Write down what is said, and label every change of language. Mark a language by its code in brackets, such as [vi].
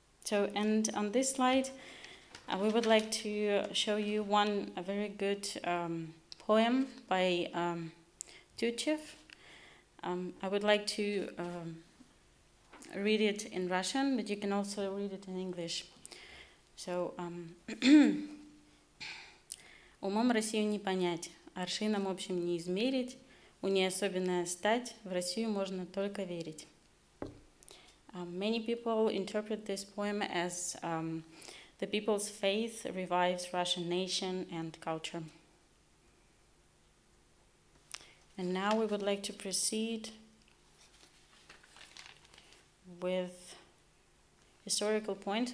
[en] So, and on this slide, we would like to show you one a very good poem by Tutchev. I would like to read it in Russian, but you can also read it in English. [ru] So, умом Россию не понять, аршином общим не измерить, у ней особенная стать, в Россию можно только верить. [en] Many people interpret this poem as the people's faith revives Russian nation and culture. And now we would like to proceed with historical points.